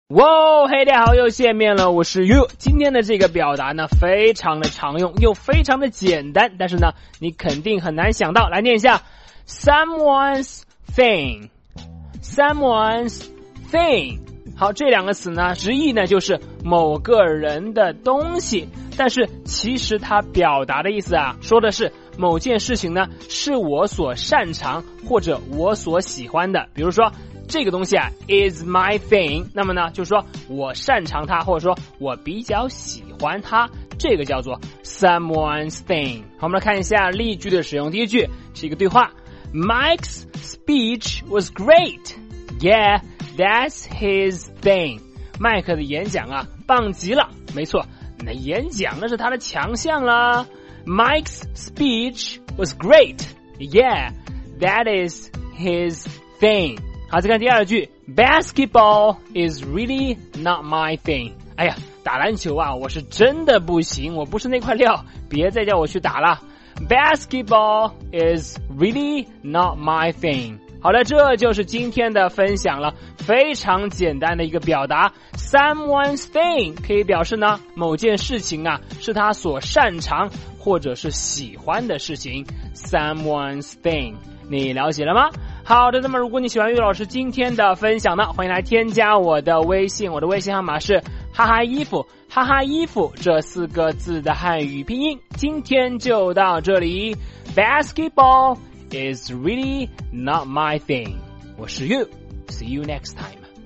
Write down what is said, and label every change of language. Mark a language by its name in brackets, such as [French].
[Chinese] 哇，嘿，大家好，又见面了，我是 You。今天的这个表达呢非常的常用又非常的简单，但是呢你肯定很难想到。来念一下 Someone's thing， Someone's thing。好，这两个词呢直译呢就是某个人的东西，但是其实它表达的意思啊，说的是某件事情呢是我所擅长或者我所喜欢的。比如说这个东西啊 [English] is my thing， [Chinese] 那么呢就是说我擅长它，或者说我比较喜欢它，这个叫做 someone's thing。好，我们来看一下例句的使用。第一句是一个对话， [English] Mike's speech was great， Yeah that's his thing。 [Chinese] 麦克的演讲啊棒极了，没错，那演讲那是他的强项啦。 [English] Mike's speech was great， Yeah that is his thing。 [Chinese] 好，再看第二句， [English] Basketball is really not my thing。 [Chinese] 哎呀，打篮球啊我是真的不行，我不是那块料，别再叫我去打了。 [English] Basketball is really not my thing。 [Chinese] 好了，这就是今天的分享了，非常简单的一个表达， Someone's thing 可以表示呢某件事情啊是他所擅长或者是喜欢的事情， Someone's thing。你了解了吗？好的，那么如果你喜欢于老师今天的分享呢，欢迎来添加我的微信，我的微信号码是哈哈衣服，哈哈衣服这四个字的汉语拼音。今天就到这里， [English] Basketball is really not my thing。 [Chinese] 我是 [English] You， See you next time。